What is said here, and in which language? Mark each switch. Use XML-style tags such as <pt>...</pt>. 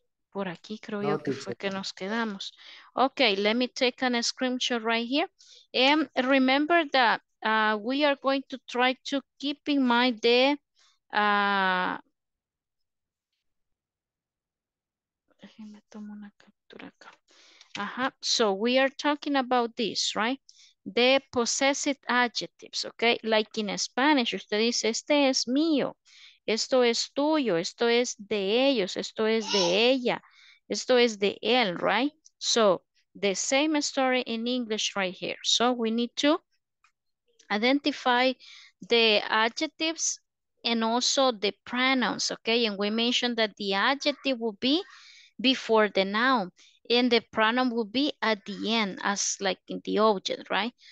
<es>Por aquí creo yo que fue que nos quedamos.</es> <en>Okay, let me take a screenshot right here. And remember that we are going to try to keep in mind the</en> <es>déjeme tomar una captura acá.</es> <en>Ajá, so we are talking about this, right? The possessive adjectives, okay? Like in Spanish,</en> <es>usted dice, este es mío, esto es tuyo, esto es de ellos, esto es de ella, esto es de él, right?</es> <en>So the same story in English right here. So we need to identify the adjectives and also the pronouns, okay? And we mentioned that the adjective will be before the noun and the pronoun will be at the end, as like in the object, right?</en>